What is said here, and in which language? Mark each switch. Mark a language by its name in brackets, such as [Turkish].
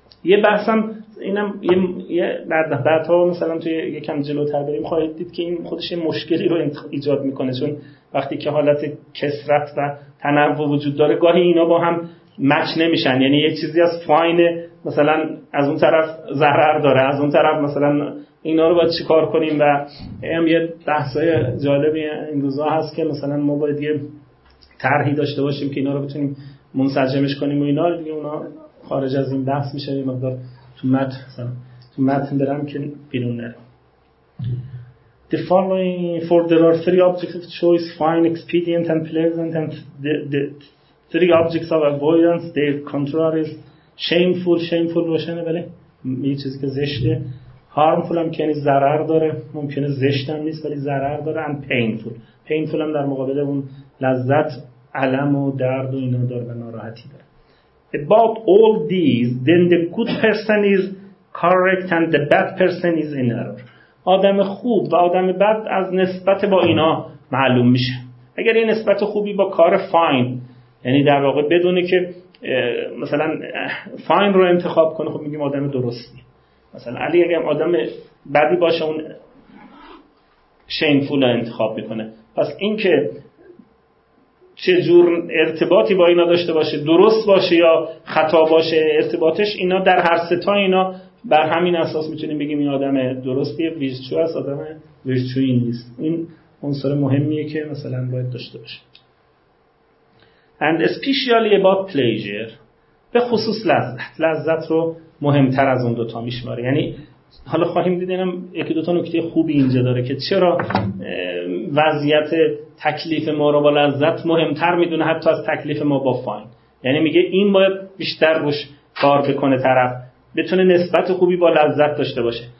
[Persian] یه بحثم اینم یه بعدها مثلا توی یکم جلوتر بریم خواهید دید که این خودش یه مشکلی رو ایجاد میکنه، چون وقتی که حالت کثرت و تنوع وجود داره گاهی اینا با هم مچ نمیشن، یعنی یه چیزی از فاین مثلا از اون طرف ضرر داره، از اون طرف مثلا اینا رو باید چیکار کنیم. و هم یه بحثای جالبی این روزا هست که مثلا ما باید یه طرحی داشته باشیم که اینا رو بتونیم منسجمش کنیم و اینا دیگه، اونا خارج از این بحث میشه، این مقدار تو متن مثلا تو متن برم که بیرون نره. [English] The following for there are three objects of choice: fine, expedient and pleasant, and the three objects of avoidance, their contraries: shameful. [Persian] Shameful روشنه، بله یه چیزی که زشته. هارمفول هم که یعنی ضرر داره، ممکنه زشت هم نیست ولی ضرر داره. ان پینفول، پینفول هم در مقابل اون لذت، الم و درد و اینا داره و ناراحتی داره. [English] About all these then the good person is correct and the bad person is in error. [Persian] آدم خوب و آدم بد از نسبت با اینا معلوم میشه. اگر این نسبت خوبی با کار فاین، یعنی در واقع بدونه که مثلا فاین رو انتخاب کنه، خب میگیم آدم درستی. مثلا علی اگه آدم بدی باشه، اون شیمفول انتخاب میکنه. پس این که چه جور ارتباطی با اینا داشته باشه، درست باشه یا خطا باشه ارتباطش، اینا در هر سه تا اینا بر همین اساس میتونیم بگیم این آدم درستیه، ویرچو است، آدم ویرچویی نیست. این عنصر مهمیه که مثلا باید داشته باشه. [English] And especially about pleasure، [Persian] به خصوص لذت. لذت رو مهمتر از اون دوتا میشماره. یعنی حالا خواهیم دید اینم یکی دوتا نکته خوبی اینجا داره که چرا وضعیت تکلیف ما رو با لذت مهمتر میدونه حتی از تکلیف ما با فاین. یعنی میگه این باید بیشتر روش کار بکنه طرف، بتونه نسبت خوبی با لذت داشته باشه.